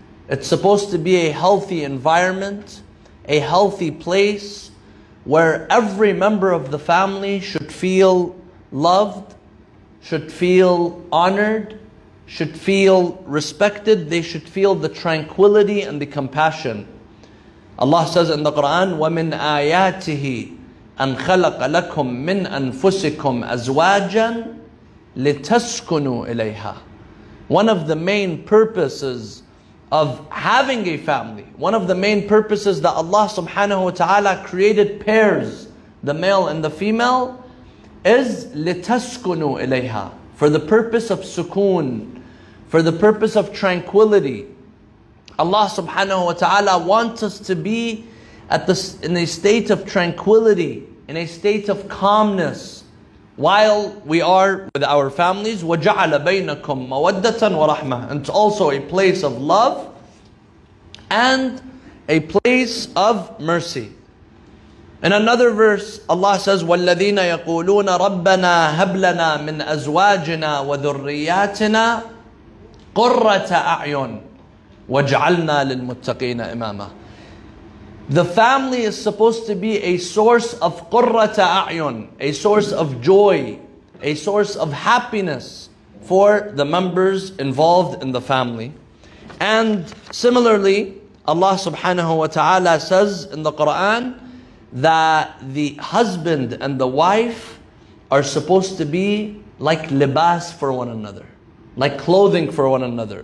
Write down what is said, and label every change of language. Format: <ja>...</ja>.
<en>It's supposed to be a healthy environment, a healthy place where every member of the family should feel loved, should feel honored, should feel respected. They should feel the tranquility and the compassion. Allah says in the Quran,</en> <ar>وَمِنْ آيَاتِهِ أَنْ خَلَقَ لَكُمْ مِنْ أَنفُسِكُمْ أَزْوَاجًا لِتَسْكُنُوا إِلَيْهَا.</ar> <en>One of the main purposes of having a family, one of the main purposes that Allah subhanahu wa ta'ala created pairs, the male and the female, is</en> <ar>لِتَسْكُنُوا إِلَيْهَا,</ar> <en>for the purpose of sukoon, for the purpose of tranquility. Allah subhanahu wa ta'ala wants us to be in a state of tranquility, in a state of calmness while we are with our families.</en> <ar>وَجَعَلَ بَيْنَكُمْ مَوَدَّةً وَرَحْمَةً.</ar> <en>It's also a place of love and a place of mercy. In another verse, Allah says,</en> <ar>وَالَّذِينَ يَقُولُونَ رَبَّنَا هَبْ لَنَا مِنْ أَزْوَاجِنَا وَذُرِّيَاتِنَا قُرَّةَ أَعْيُنٍ وَجْعَلْنَا لِلْمُتَّقِينَ إِمَامًا.</ar> <en>The family is supposed to be a source of</en> <ar>قُرَّةَ أَعْيُنٍ,</ar> <en>a source of joy, a source of happiness for the members involved in the family. And similarly, Allah subhanahu wa ta'ala says in the Quran that the husband and the wife are supposed to be like libas for one another, like clothing for one another.</en>